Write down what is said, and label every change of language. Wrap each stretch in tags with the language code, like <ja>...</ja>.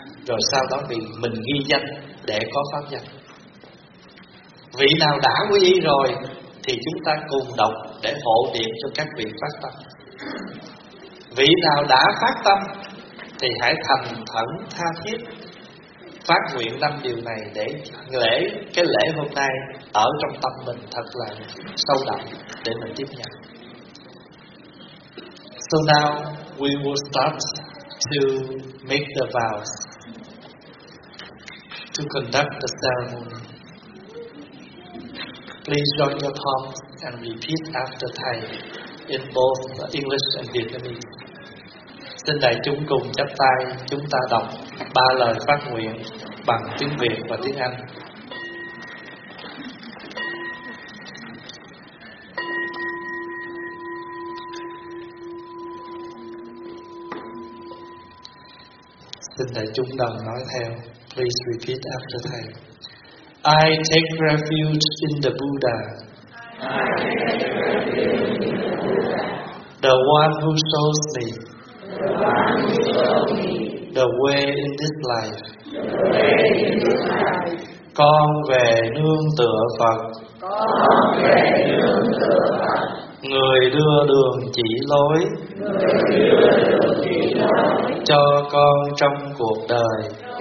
<vi>Rồi sau đó thì mình ghi danh để có pháp danh. Vị nào đã quy y rồi thì chúng ta cùng đọc để hộ niệm cho các vị phát tâm. Vị nào đã phát tâm thì hãy thành thẩn tha thiết phát nguyện năm điều này để cái lễ hôm nay ở trong tâm mình thật là sâu đậm để mình tiếp nhận.</vi> <en>So now we will start to make the vows to conduct the ceremony. Please join your palms and repeat after Thầy in both English and Vietnamese.</en> <vi>Xin đại chúng cùng chắp tay, chúng ta đọc ba lời phát nguyện bằng tiếng Việt và tiếng Anh. Xin đại chúng đồng nói theo.</vi> <en>Please repeat after Thầy. I take refuge in the Buddha, the one who shows me the way in this life.</en> <vi>Con về nương tựa Phật, người đưa đường chỉ lối cho con trong cuộc đời.</vi>